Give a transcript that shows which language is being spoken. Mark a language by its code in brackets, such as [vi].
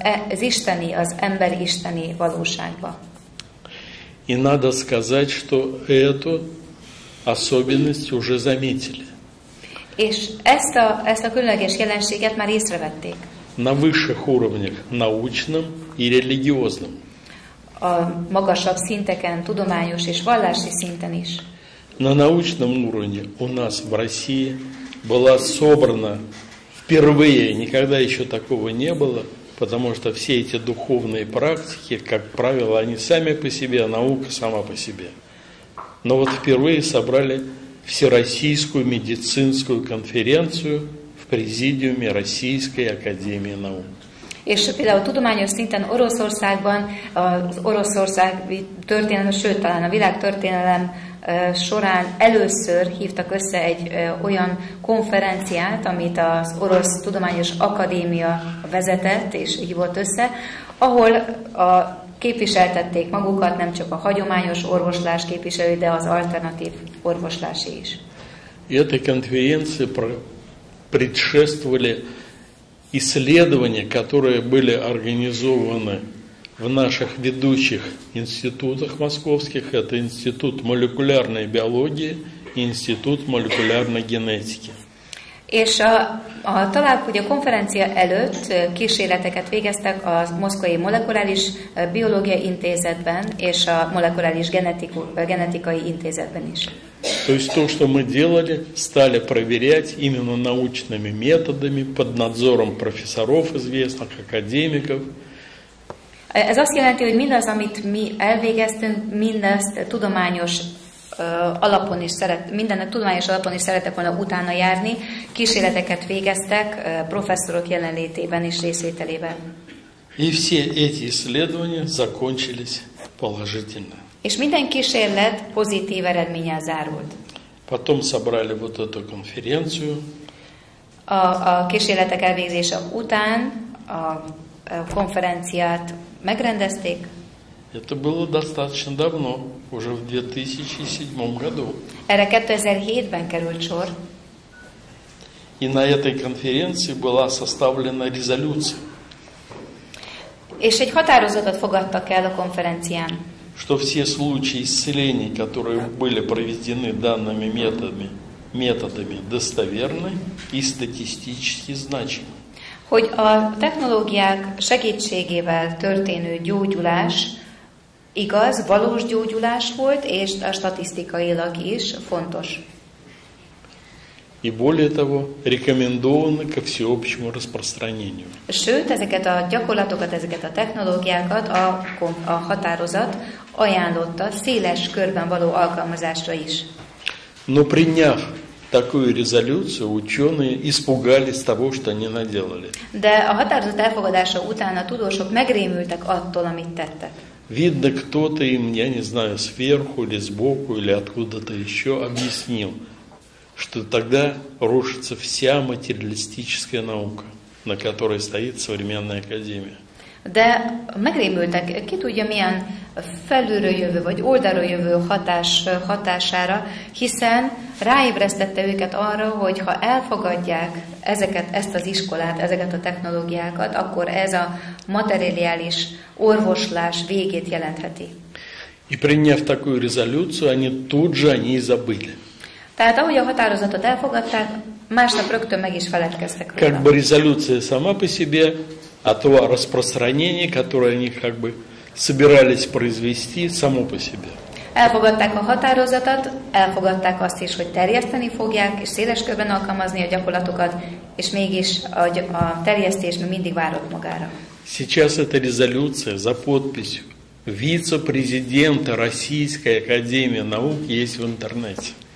[hu] Az isteni, az ember isteni valóságba. [ru] И надо сказать, что эту особенность уже заметили. [hu] És ezt a különleges jelenséget már észrevették. [ru] На высших уровнях, научном и религиозном. [hu] A magasabb szinteken, tudományos és vallási szinten is. [ru] На научном уровне у нас в России была собрана впервые, никогда еще такого не было, потому что все эти духовные практики, как правило, они сами по себе, а наука сама по себе. Но вот впервые собрали Всероссийскую медицинскую конференцию в президиуме Российской академии наук. [hu] És például tudományos szinten Oroszországban, az Oroszország történelem, sőt, talán a világ történelem során először hívtak össze egy olyan konferenciát, amit az Orosz Tudományos Akadémia vezetett és hívott össze, ahol képviseltették magukat, nem csak a hagyományos orvoslás képviselői, de az alternatív orvoslási is. [ru] Эта конференция предшествовали исследования, которые были организованы в наших ведущих институтах московских, это Институт молекулярной биологии и Институт молекулярной генетики. [hu] És a találkozó konferencia előtt kísérleteket végeztek a Moszkvai Molekuláris Biológia Intézetben és a Molekuláris Genetikai Intézetben is. [ru] То есть то, что мы делали, стали проверять именно научными методами под надзором профессоров известных академиков. [hu] Ez azt jelenti, hogy mindaz, amit mi elvégeztünk, mindezt tudományos alapon is szeret, minden tudományos alapon is szeretek volna utána járni, kísérleteket végeztek professzorok jelenlétében és részvételében. [ru] И все эти исследования закончились положительно. [hu] És minden kísérlet pozitív eredménnyel zárult. [ru] Потом собрали вот эту конференцию. [hu] A kísérletek elvégzése után a konferenciát megrendezték. [ru] Это было достаточно давно, уже в 2007 году. [hu] Erre 2007-ben került sor. [ru] И на этой конференции была составлена резолюция. [hu] És egy határozatot fogadtak el a konferencián. [ru] Что все случаи исцелений, которые были проведены данными методами достоверны и статистически значимы. [hu] Hogy a technológiák segítségével történő gyógyulás igaz, valós gyógyulás volt, és a statisztikailag is fontos. [ru] И более того, рекомендованы ко всеобщему распространению. [hu] Sőt, ezeket a gyakorlatokat, ezeket a technológiákat a határozat ajánlotta széles körben való alkalmazásra is. [ru] Но приняв такую резолюцию, ученые испугались того, что они наделали. [hu] De a határozat elfogadása után a tudósok megrémültek attól, amit tettek. [ru] Видно, кто-то им, я не знаю, сверху или сбоку, или откуда-то еще объяснил, что тогда рушится вся материалистическая наука, на которой стоит современная академия. [hu] De megrémültek, ki tudja milyen felülről jövő, vagy oldalról jövő hatására, hiszen ráébresztette őket arra, hogy ha elfogadják ezt az iskolát, ezeket a technológiákat, akkor ez a materiális orvoslás végét jelentheti. [ru] И приняв такую резолюцию, они тут же о ней забыли. [hu] Tehát ahogy a határozatot elfogadták, másnap rögtön meg is feledkeztek róla. [ru] Как бы резолюция сама по себе, а то распространение, которое они как бы собирались произвести, само по себе. [hu] Elfogadták a határozatot, elfogadták azt is, hogy terjeszteni fogják, és széles körben alkalmazni a gyakorlatokat, és mégis a terjesztés mindig várott magára. [ru] Сейчас эта резолюция за подписью вице-президента Российской Академии Наук есть в интернете.